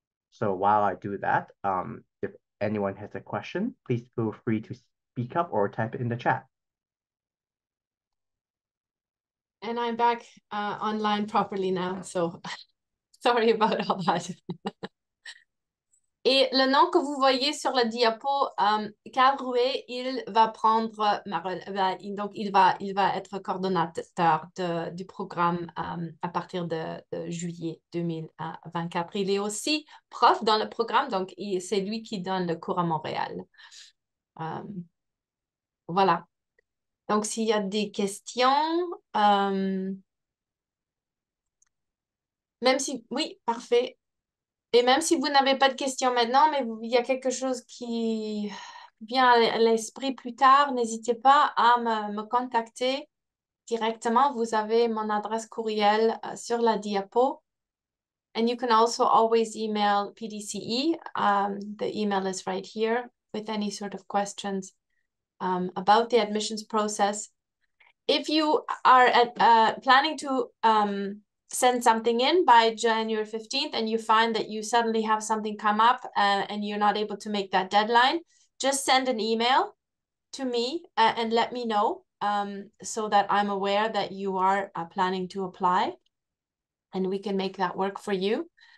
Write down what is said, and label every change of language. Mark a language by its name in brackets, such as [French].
[English] So while I do that, if anyone has a question, please feel free to speak up or type it in the chat. And I'm back online properly now, so sorry about all that. [French] Et le nom que vous voyez sur la diapo, Carroué, il va prendre, donc il va être coordonnateur du programme à partir de juillet 2024. Il est aussi prof dans le programme, donc c'est lui qui donne le cours à Montréal. Voilà. Donc, s'il y a des questions, même si, oui, parfait. Et même si vous n'avez pas de questions maintenant, mais il y a quelque chose qui vient à l'esprit plus tard, n'hésitez pas à me contacter directement. Vous avez mon adresse courriel sur la diapo. [English] And you can also always email PDCE. The email is right here with any sort of questions. About the admissions process. If you are planning to send something in by January 15th and you find that you suddenly have something come up and you're not able to make that deadline, just send an email to me and let me know so that I'm aware that you are planning to apply and we can make that work for you.